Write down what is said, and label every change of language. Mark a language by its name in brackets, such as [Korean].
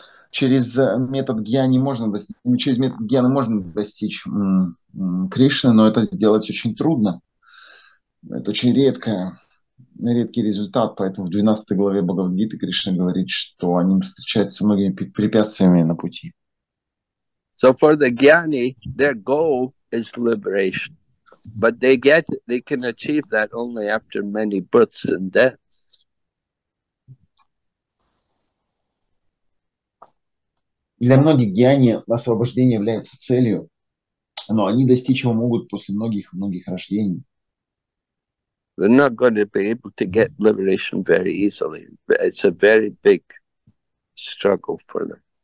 [Russian] Через метод гьяни можно достичь, через метод гьяны можно достичь Кришны, но это сделать очень трудно. Это очень редкий результат, поэтому в 12 главе Бхагавад-гиты Кришна говорит, что они встречаются с многими препятствиями на пути. [English] So for the gyani, their goal is liberation. But they can achieve that only after many births and deaths. [Russian] Для многих гьяни освобождение является целью, но они достичь его могут после многих-многих рождений. [English] They're not going to be able to get liberation very easily. It's a very big struggle for them.